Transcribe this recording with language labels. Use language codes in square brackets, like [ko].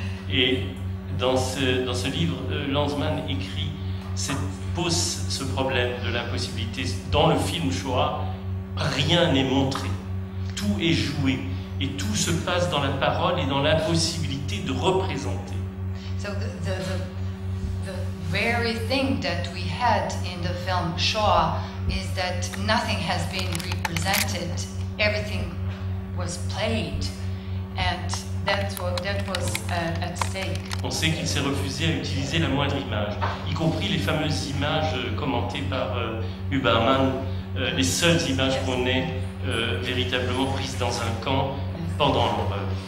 [fr] Et dans ce livre, Lanzmann écrit pose ce problème de l'impossibilité. Dans le film Shoah, rien n'est montré, tout est joué et tout se passe dans la parole et dans l'impossibilité de représenter. [en] So the very thing that we had in the film Shoah is that nothing has been represented, everything was played, and that was at stake. [fr] On sait qu'il s'est refusé à utiliser la moindre image, y compris les fameuses images commentées par Huberman, les seules images qu'on ait véritablement prises dans un camp pendant l'horreur.